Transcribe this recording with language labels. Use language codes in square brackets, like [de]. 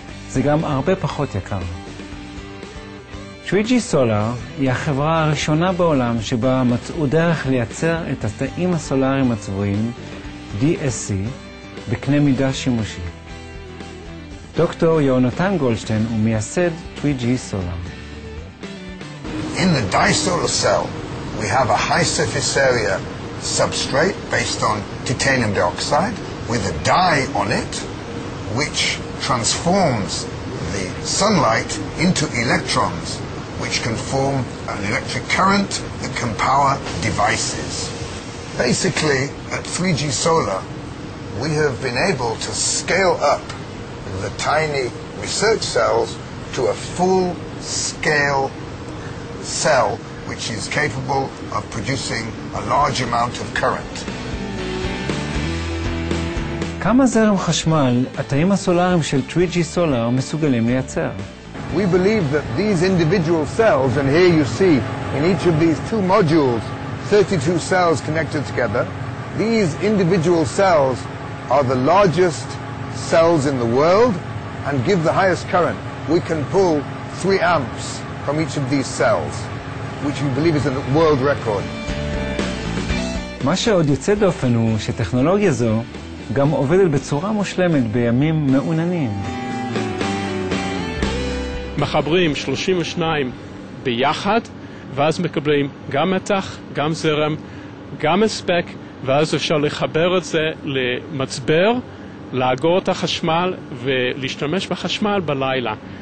[he] זה גם הרבה פחות יקר. 3G סולאר היא החברה הראשונה בעולם שבה מצאו דרך לייצר את התאים הסולאריים הצבועים DSC בקנה מידה שימושי. דוקטור יונתן גולדשטיין הוא מייסד 3G סולר. [en] In the dye solar cell, we have a high surface area substrate based on titanium dioxide with a dye on it, which transforms the sunlight into electrons, which can form an electric current that can power devices. Basically, at 3G Solar, we have been able to scale up the tiny research cells to a full-scale cell which is capable of producing a large amount of current. [he] כמה זרם חשמל התאים הסולריים של 3G Solar מסוגלים לייצר? [en] We believe that these individual cells, and here you see in each of these two modules 32 cells connected together, these individual cells are the largest cells in the world and give the highest current. We can pull 3 amps from each of these cells, which we believe is a world record. [he] מה שעוד יוצא דופן הוא שטכנולוגיה זו גם עובדת בצורה מושלמת בימים מעוננים. מחברים 32 ביחד, ואז מקבלים גם מתח, גם זרם, גם הספק, ואז אפשר לחבר את זה למצבר, לאגור את החשמל ולהשתמש בחשמל בלילה.